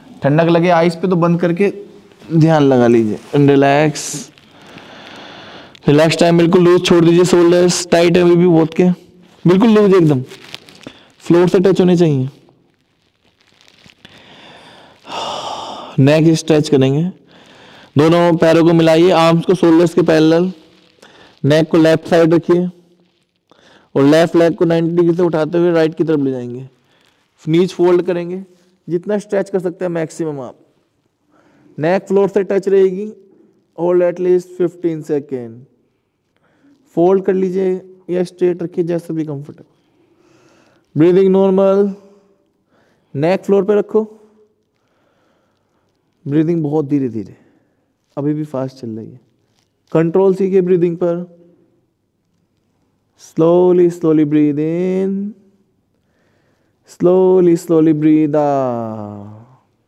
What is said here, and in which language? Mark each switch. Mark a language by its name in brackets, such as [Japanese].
[Hindi] ठंडक लगे आईज पे तो बंद करके ध्यान लगा लीजिए. [English] Relax. [Hindi] Relax time बिल्कुल loose छोड़ दीजिए. Shoulders tight है अभी भी बहुत के. बिल्कुल loose एकदम. Floor से touch होने चाहिए. Neck stretch करेंगे. दोनों पैरों को मिलाइए. Arms को shoulders के parallel. Neck को left side रखिए. और left leg को 90 degree से उठाते हुए right की तरफ ले जाएंगे. Knees fold करेंगे. जितना स्ट्रेच कर सकते हैं मैक्सिमम आप. नेक फ्लोर से टच रहेगी. Hold at least 15 second. फोल्ड कर लीजिए या स्ट्रेट रखिए जैसे भी कंफर्टेबल. Breathing normal. नेक फ्लोर पे रखो. ब्रीदिंग बहुत धीरे धीरे. अभी भी फास्ट चल रही है. कंट्रोल सीखिए ब्रीदिंग पर. [English] Slowly slowly breathe in. Slowly, slowly breathe out.